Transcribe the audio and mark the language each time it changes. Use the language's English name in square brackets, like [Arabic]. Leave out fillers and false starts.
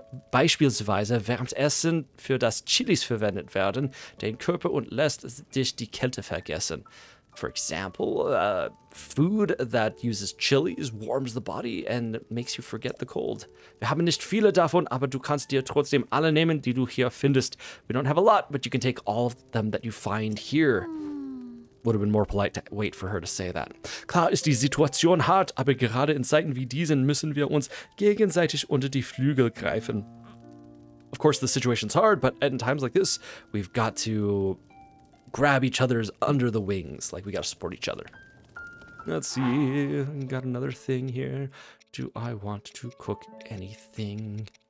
[German] Beispielsweise wärmt Essen, für das Chilis verwendet werden, den Körper und lässt dich die Kälte vergessen. [English] For example, food that uses chilies warms the body and makes you forget the cold. [German] Wir haben nicht viele davon, aber du kannst dir trotzdem alle nehmen, die du hier findest. [English] We don't have a lot, but you can take all of them that you find here. Would have been more polite to wait for her to say that. [German] Klar ist die Situation hart, aber gerade in Zeiten wie diesen müssen wir uns gegenseitig unter die Flügel greifen. [English] Of course, the situation's hard, but in times like this, we've got to grab each other's under the wings, like we gotta support each other. Let's see, got another thing here. Do I want to cook anything?